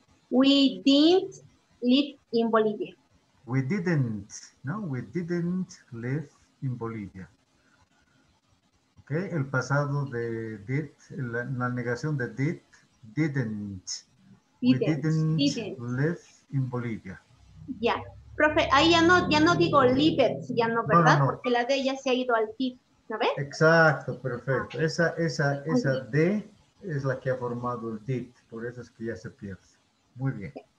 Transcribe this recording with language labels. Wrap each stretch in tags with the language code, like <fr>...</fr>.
<en>We didn't live in Bolivia. We didn't, no, we didn't live in Bolivia.</en> <es>Ok, el pasado de did, la negación de did, didn't.</es> <en>We didn't live in Bolivia. Ya. Yeah.</en> <es>Profe, ahí ya no digo lived, ya no, ¿verdad? No. Porque la D ya se ha ido al tip, ¿no ves? Exacto, perfecto. Esa D es la que ha formado el tip, por eso es que ya se pierde. Muy bien.</es>